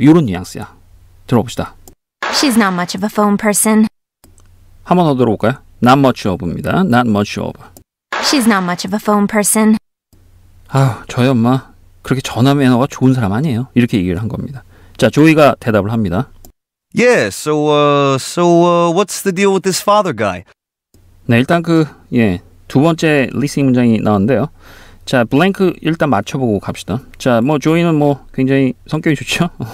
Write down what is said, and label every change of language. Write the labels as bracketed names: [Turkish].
[Korean] 이런 뉘앙스야. 들어봅시다. [English] She's not much of a phone person. [Korean] 한 번 더 들어볼까요? [English] Not much of입니다. Not much of. She's not much of a phone person. [Korean] 아휴, 저희 엄마 그렇게 전화 매너가 좋은 사람 아니에요. 이렇게 얘기를 한 겁니다. 자, 조이가 대답을 합니다. [English] Yeah, what's the deal with this father guy? [Korean] 네, 일단 그, 예, 두 번째 리스닝 문장이 나왔는데요. 자, 블랭크 일단 맞춰보고 갑시다. 자, 뭐 조이는 뭐 굉장히 성격이 좋죠?